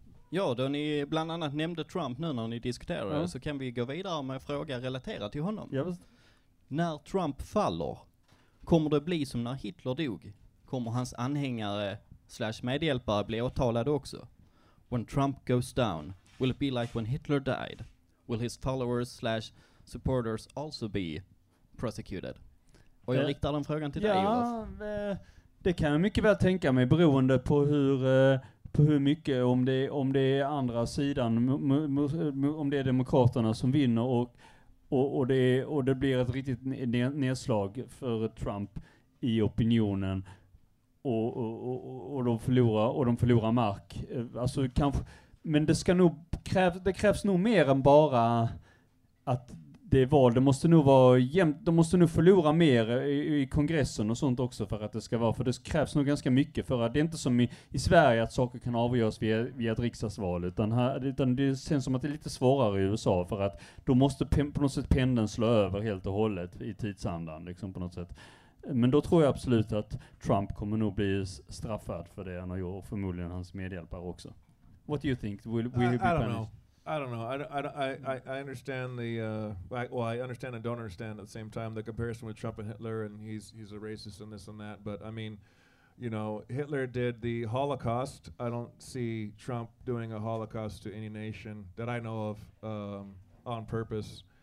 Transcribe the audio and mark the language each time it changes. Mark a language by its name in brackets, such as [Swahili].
[Swedish] Ja, då ni bland annat nämnde Trump nu när ni diskuterade, så kan vi gå vidare med fråga relaterad till honom. Ja, när Trump faller, kommer det bli som när Hitler dog? Kommer hans anhängare / medhjälpare bli åtalade också? [English] When Trump goes down, will it be like when Hitler died? Will his followers / supporters also be prosecuted? [Swedish] Och jag riktar den frågan till dig, Olof. Ja, det kan jag mycket väl tänka mig, beroende på hur mycket, om det är andra sidan, om det är demokraterna som vinner och det blir ett riktigt nedslag för Trump i opinionen och de förlorar mark. Alltså, kanske, men det krävs nog mer än bara att det är val. Det måste nog vara jämnt. De måste nog förlora mer i kongressen och sånt också för att det ska vara. För det krävs nog ganska mycket. För att det är inte som i Sverige att saker kan avgöras via ett riksdagsval. Utan det känns som att det är lite svårare i USA. För att då måste på något sätt pendeln slå över helt och hållet i tidsandan. Liksom på något sätt. Men då tror jag absolut att Trump kommer nog bli straffad för det han har gjort. Och förmodligen hans medhjälpare också. [English] What do you think? Will he be punished? I don't know. I understand I understand and don't understand at the same time the comparison with Trump and Hitler, and he's a racist and this and that. But I mean, you know, Hitler did the Holocaust. I don't see Trump doing a Holocaust to any nation that I know of on purpose.